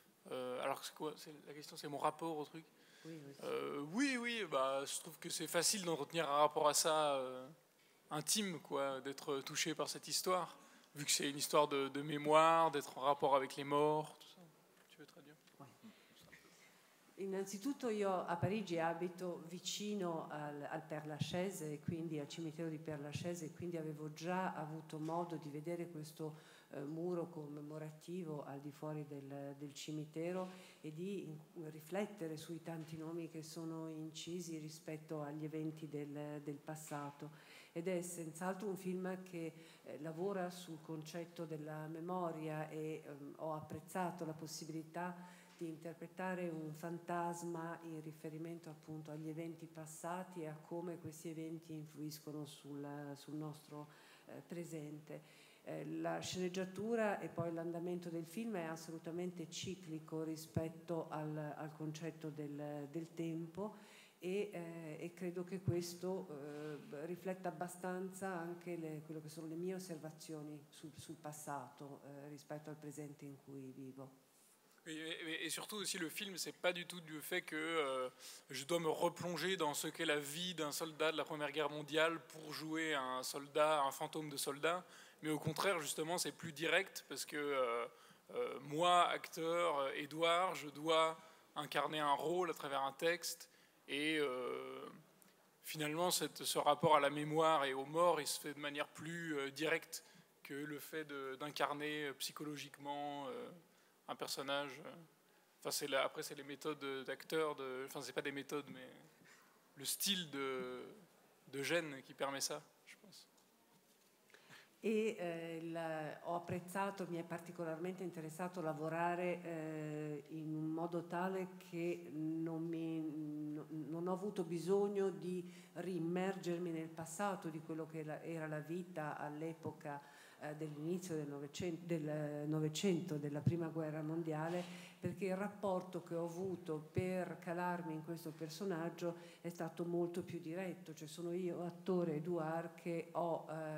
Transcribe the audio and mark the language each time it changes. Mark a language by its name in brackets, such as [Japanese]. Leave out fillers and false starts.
[French] Alors c'est quoi, la question, c'est mon rapport au truc. Oui, bah, je trouve que c'est facile d'entretenir un rapport à ça intime, quoi, d'être touché par cette histoire, vu que c'est une histoire de mémoire, d'être en rapport avec les morts. [Italian] Innanzitutto io a Parigi abito vicino al Père Lachaise, quindi al cimitero di Père Lachaise, quindi avevo già avuto modo di vedere questo muro commemorativo al di fuori del cimitero e di riflettere sui tanti nomi che sono incisi rispetto agli eventi del passato. Ed è senz'altro un film che lavora sul concetto della memoria, e ho apprezzato la possibilità di interpretare un fantasma in riferimento appunto agli eventi passati e a come questi eventi influiscono sul nostro presente. La sceneggiatura e poi l'andamento del film è assolutamente ciclico rispetto al concetto del tempo e credo che questo rifletta abbastanza anche quello che sono le mie osservazioni sul passato rispetto al presente in cui vivo. E soprattutto [French] aussi le film, c'est pas du tout du fait que je dois me replonger dans ce qu'est la vie d'un soldat de la Première Guerre mondiale pour jouer un soldat, un fantôme de soldat. Mais au contraire, justement, c'est plus direct parce que moi, acteur, Edouard, je dois incarner un rôle à travers un texte. Et finalement, ce rapport à la mémoire et aux morts, il se fait de manière plus directe que le fait d'incarner psychologiquement un personnage. Enfin, c'est les méthodes d'acteur, enfin, c'est pas des méthodes, mais le style de Gene qui permet ça, je pense. [Italian] E ho apprezzato, mi è particolarmente interessato lavorare in un modo tale che non ho avuto bisogno di rimmergermi nel passato di quello che era la vita all'epoca dell'inizio del Novecento, della Prima Guerra Mondiale, perché il rapporto che ho avuto per calarmi in questo personaggio è stato molto più diretto, cioè sono io, attore Edouard, che ho